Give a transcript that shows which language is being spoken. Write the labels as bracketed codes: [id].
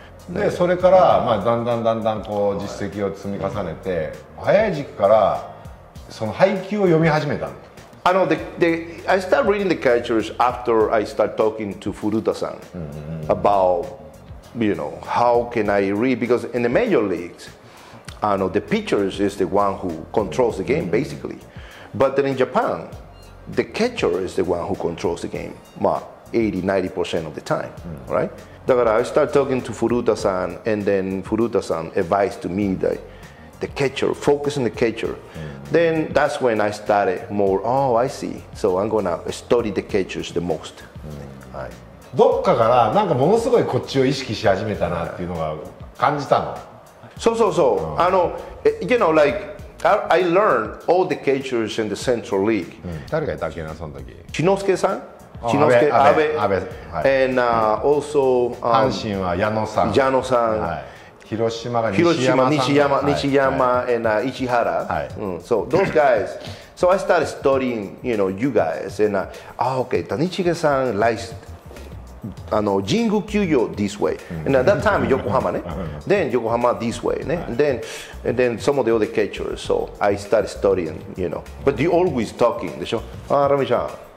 [ja] でそれから、まあ、だんだんだんだんこう実績を積み重ねて、早い時期から、その配球を読み始めたの。 [en] あの、I started reading the catchers after I started talking to Furuta-san about, you know, how can I read? Because in the major leagues, あの the pitchers is the one who controls the game, basically. But then in Japan, the catcher is the one who controls the game, まあ 80-90% of the time, right? だから I started talking to Furuta-san, and then Furuta-san advised to me thatthe catcher, focus on the catcher. Then that's when I started more, oh, I see. So I'm gonna study the catchers the most.、 [ja] はい、どっかからなんかものすごいこっちを意識し始めたなっていうのが感じたの。そうそうそう。 [en] あの、you know, like, I learned all the catchers in the Central League.、う [ja] ん、誰がいたっけな、その時。篠之助さん。篠之助、阿部 [en] 、はい、and also, [ja] 阪神は矢野さん。矢野さん。はい、広島が西山さん、広島、西山、はい、and 石原、はい、 [en] うん、so those guys, so I started studying, you know, you guys, and ah, okay, 谷繁さん likes, あの神宮球場 this way, and at that time 横浜ね、then 横浜 this way ね、はい、then some of the other catchers, so I started studying, you know, but you always talking, でしょ、あ、ラミちゃん。